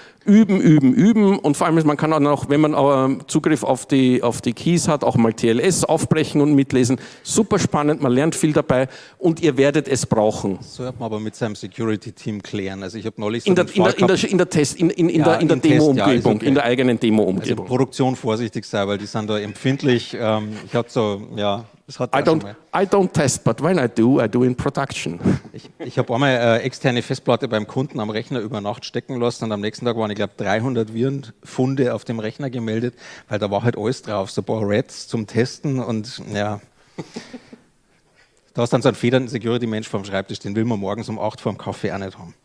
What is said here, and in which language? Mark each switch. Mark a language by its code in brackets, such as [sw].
[de] Üben. Und vor allem, man kann auch noch, wenn man Zugriff auf die Keys hat, auch mal TLS aufbrechen und mitlesen. Super spannend, man lernt viel dabei und ihr werdet es brauchen. So hat man aber mit seinem Security-Team klären. Also ich habe neulich so In der Demo-Umgebung, in der eigenen Demo-Umgebung. Also Produktion vorsichtig sein, weil die sind da empfindlich. Ich habe so, ja... [en] I don't test, but when I do in production. [de] Ich habe einmal externe Festplatte beim Kunden am Rechner über Nacht stecken lassen und am nächsten Tag waren, ich glaube, 300 Virenfunde auf dem Rechner gemeldet, weil da war halt alles drauf, so ein paar Reds zum Testen und ja. Da ist dann so ein federnden Security-Mensch vorm Schreibtisch, den will man morgens um 8 vorm Kaffee auch nicht haben.